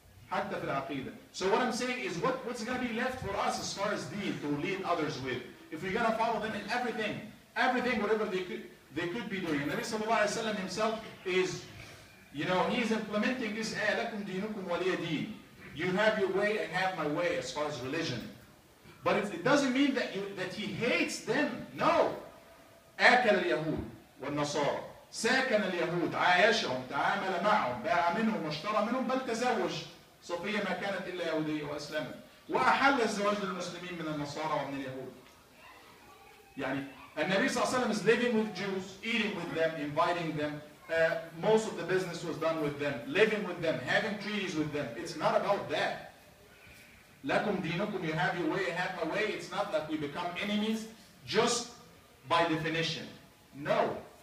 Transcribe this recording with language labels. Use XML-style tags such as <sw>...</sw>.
<ar>حتى في العقيدة</ar> <en>So what I'm saying is what's going to be left for us as far as deen to lead others with If we're going to follow them in everything whatever they could be doing</en> <ar>النبي صلى الله عليه وسلم</ar> <en>himself is You know, he is implementing this ayah,</en> <ar>لَكُمْ دِينُكُمْ وَلِيَ دِينَ</ar> <en>You have your way, I have my way as far as religion. But it doesn't mean that he hates them.</en> <ar>No. آكل اليهود والنصارى. ساكن اليهود. عايشهم. تعامل معهم. باع منهم. واشترى منهم. بل تزوج. صفية ما كانت إلا يهودية وأسلمت. وأحل الزواج للمسلمين من النصارى ومن اليهود.</ar> <en>يعني النبي صلى الله عليه وسلم is living with Jews, eating with them, inviting them. Most of the business was done with them, living with them, having treaties with them. It's not about that.</en> <ar>لَكُمْ دِينُكُمْ</ar> <en>You have your way, I have my way. It's not that we become enemies just by definition. No.</en>